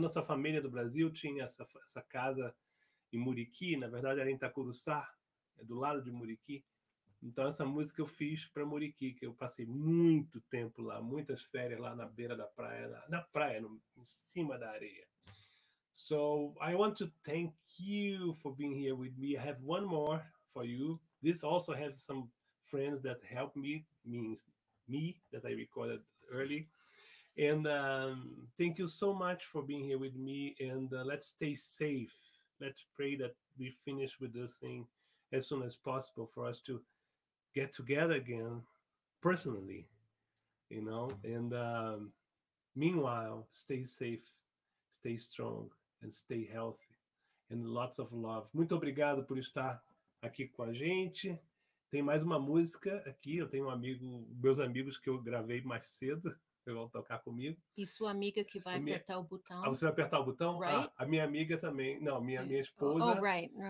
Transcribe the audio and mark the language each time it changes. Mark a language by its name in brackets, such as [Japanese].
[Portuguese] Nossa família do Brasil tinha essa casa em Muriqui. Na verdade, era em Itacuruçá, é do lado de Muriqui. Então, essa música eu fiz para Muriqui, que eu passei muito tempo lá, muitas férias lá na beira da praia, na praia, no, em cima da areia. [English] So, I want to thank you for being here with me. I have one more for you. This also has some friends that helped me, means me, that I recorded early. And thank you so much for being here with me. And let's stay safe. Let's pray that we finish with this thing as soon as possible for us to get together again, personally, you know? And meanwhile, stay safe, stay strong, and stay healthy, and lots of love. [Portuguese] Muito obrigado por estar aqui com a gente. Tem mais uma música aqui. Eu tenho um amigo, meus amigos que eu gravei mais cedo, que vão tocar comigo. E sua amiga que vai apertar o botão? Ah, você vai apertar o botão? [English] Right? [Portuguese] Ah, a minha amiga também. Não, minha esposa. [English] Oh, right. No,